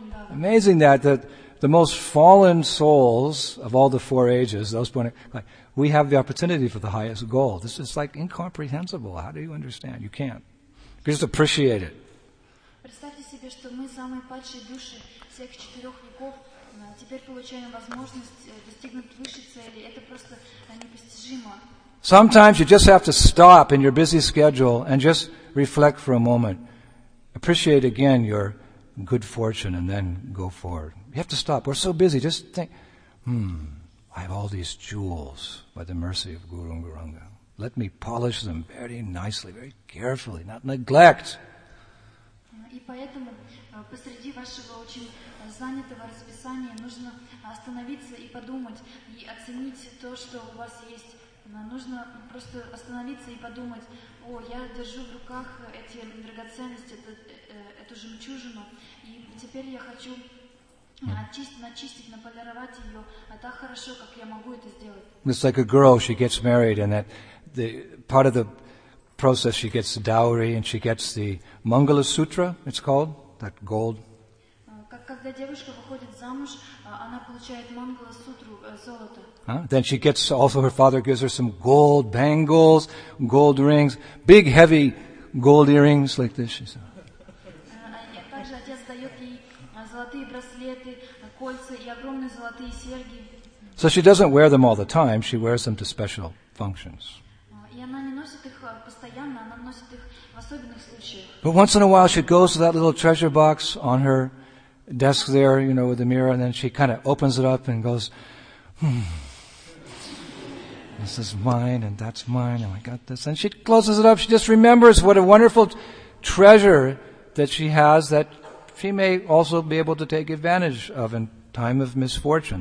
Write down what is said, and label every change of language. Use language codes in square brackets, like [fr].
[en] Amazing that the most fallen souls of all the four ages, those born, like, we have the opportunity for the highest goal. This is like incomprehensible. How do you understand? You can't. You just appreciate it. [ru] Представьте себе, что мы самые падшие души всех четырех веков, теперь получаем возможность достигнуть высшей цели. Это просто непостижимо. [en] Sometimes you just have to stop in your busy schedule and just reflect for a moment. Appreciate again your good fortune and then go forward. You have to stop. We're so busy. Just think, I have all these jewels by the mercy of Guru and Guranga. Let me polish them very nicely, very carefully, not neglect. [ru] И поэтому посреди вашего очень занятого расписания нужно остановиться и подумать, и оценить то, что у вас есть. Нужно просто остановиться и подумать: о, я держу в руках эти драгоценности, эту жемчужину, и теперь я хочу начистить, наполировать ее, а так хорошо, как я могу это сделать. [en] It's like a girl, she gets married, and that the part of the process, she gets the dowry, and she gets the Mangala Sutra, it's called, that gold. [ru] Когда девушка выходит замуж, она получает Мангала Сутру, золото. [en] Then she gets, also her father gives her some gold bangles, gold rings, big heavy gold earrings like this. She said. [ru] Также отец дает ей золотые браслеты, кольца и огромные золотые серьги. [en] So she doesn't wear them all the time, she wears them to special functions. [ru] И она не носит их постоянно, она носит их в особенных случаях. [en] But once in a while she goes to that little treasure box on her desk there, you know, with the mirror, and then she kind of opens it up and goes, this is mine, and that's mine, and I got this. And she closes it up, she just remembers what a wonderful treasure that she has that she may also be able to take advantage of in time of misfortune.